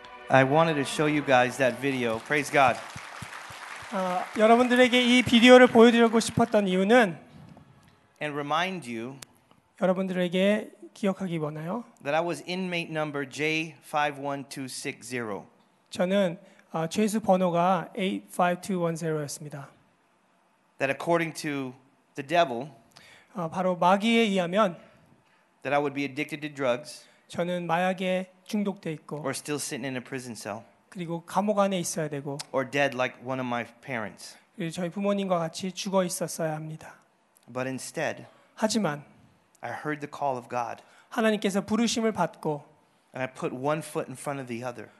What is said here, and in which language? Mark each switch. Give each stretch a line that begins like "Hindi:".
English: I wanted to show you guys that video. Praise God.
Korean: 여러분들에게 이 비디오를 보여드리고 싶었던 이유는
English: and remind you
Korean: 여러분들에게 기억하기 원하여
English: that I was inmate number J51260.
Korean: 저는 죄수 번호가 85210였습니다.
English: That according to the devil
Korean: 바로 마귀에 의하면
English: that I would be addicted to drugs
Korean: 저는 마약에 중독돼 있고
English: or still sitting in a prison cell
Korean: 그리고 감옥 안에 있어야 되고
English: or dead like one of my parents
Korean: 저희 부모님과 같이 죽어 있었어야 합니다.
English: But instead
Korean: 하지만
English: I heard the call of God
Korean: 하나님께서 부르심을 받고
English: and I put one foot in front of the other